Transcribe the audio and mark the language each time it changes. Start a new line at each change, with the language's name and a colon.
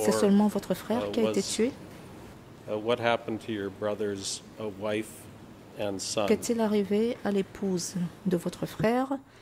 French: c'est seulement votre frère qui a été tué?
English: What happened to your brother's wife and son?
French: Qu'est-il arrivé à l'épouse de votre frère?